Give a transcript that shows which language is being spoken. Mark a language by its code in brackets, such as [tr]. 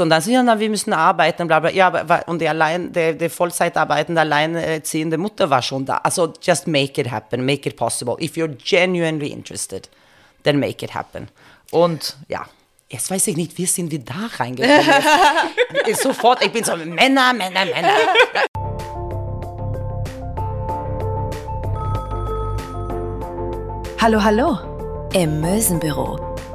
[de] Und dann sagt sie, ja, wir müssen arbeiten, bla, bla. Ja, aber, und die Vollzeitarbeitende, alleinerziehende Mutter war schon da. [en] Also, just make it happen, make it possible. If you're genuinely interested, then make it happen. [de] Und ja, jetzt weiß ich nicht, wie sind wir da reingekommen? Sofort, ich bin so, Männer. Hallo, im Mösenbüro.